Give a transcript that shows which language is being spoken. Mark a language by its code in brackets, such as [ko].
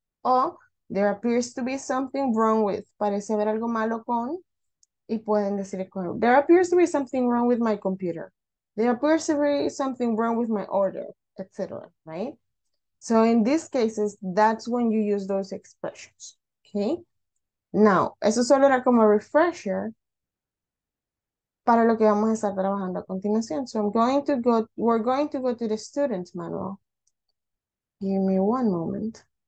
[en] O, there appears to be something wrong with. [es] Parece haber algo malo con, y pueden decir con, [en] there appears to be something wrong with my computer. There appears to be something wrong with my order, etc. Right? So in these cases, that's when you use those expressions. Okay? [es] Now, eso solo era como [en] a refresher [es] para lo que vamos a estar trabajando a continuación. [en] So I'm going to go, we're going to go to the student manual. Give me one moment.